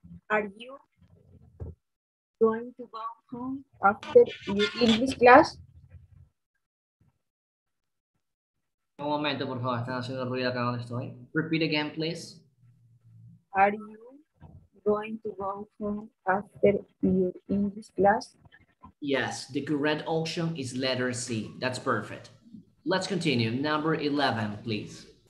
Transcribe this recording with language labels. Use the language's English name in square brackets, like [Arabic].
[English] Are you going to go home after your English class? [Spanish] Un momento, por favor, están haciendo ruido acá donde estoy. [English] Repeat again, please. Are you going to go home after your English class? Yes, the correct option is letter C. That's perfect. Let's continue. Number 11, please.